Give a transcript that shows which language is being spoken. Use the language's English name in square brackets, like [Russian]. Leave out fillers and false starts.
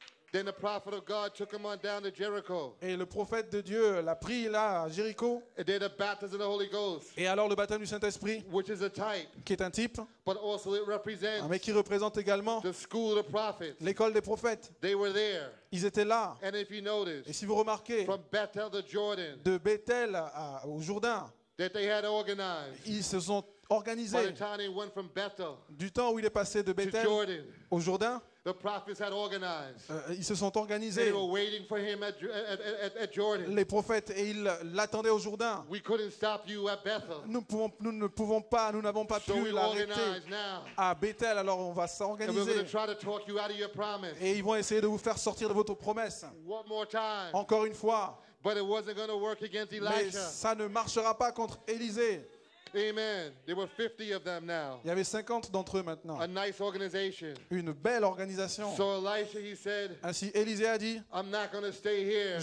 [English] Then the prophet of God took him on down to Jericho. [French] Et le prophète de Dieu l'a pris là à Jéricho. [English] And then the baptism of the Holy Ghost. [French] Et alors le baptême du Saint-Esprit. [English] Which is a type. [French] Qui est un type. [English] But also it represents. [French] Mais qui représente également. [English] The school of the prophets. [French] L'école des prophètes. [English] They were there. [French] Ils étaient là. [English] And if you notice. [French] Et si vous remarquez. [English] From Bethel to Jordan. [French] De Bethel au Jourdain. [English] That they had organized. [French] Ils se sont organisés. [English] By the time they went from Bethel. [French] Du temps où il est passé de Bethel [English] to Jordan. [French] Au Jourdain. [English] The prophets had organized. [French] Ils se sont organisés. [English] They were waiting for him at Jordan. [French] Les prophètes et ils l'attendaient au Jourdain. [English] We couldn't stop you at Bethel. [French] Nous n'avons pas [English] so [French] pu l'arrêter [English] now. [French] À Bethel. Alors on va s'organiser. [English] And we're going to try to talk you out of your promise. [French] Et ils vont essayer de vous faire sortir de votre promesse. [English] One more time. [French] Encore une fois. [English] But it wasn't going to work against Elijah. [French] Mais ça ne marchera pas contre Élisée. [English] Amen. There were 50 of them now. [French] Il y avait 50 d'entre eux maintenant. [English] A nice organization. [French] Une belle organisation. [English] So Elisha, he said, [French] ainsi Élisée a dit, [English] I'm not going to stay here.